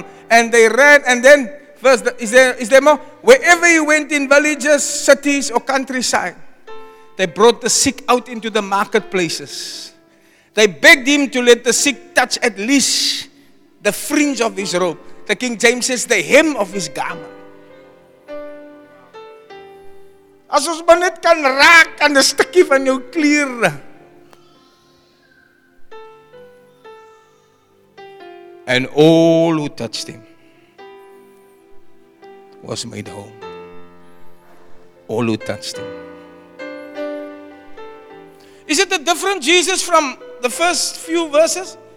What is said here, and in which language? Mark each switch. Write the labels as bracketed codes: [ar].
[en] And they ran, and then, first, is there more? Wherever he went, in villages, cities, or countryside, they brought the sick out into the marketplaces. They begged him to let the sick touch at least the fringe of his robe. The King James says, the hem of his garment. [af] As ons maar net kan raak aan 'n stukkie van jou klere. [en] And all who touched him was made whole. All who touched him. Is it a different Jesus from the first few verses?